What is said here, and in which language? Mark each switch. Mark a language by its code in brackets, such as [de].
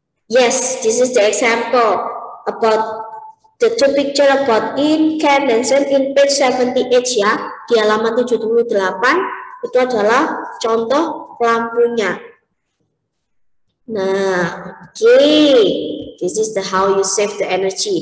[en] Yes, this is the example about the two picture about incandescent in page 78 ya. [id] Di halaman 78 itu adalah contoh lampunya. Nah, okay. [en] This is the how you save the energy.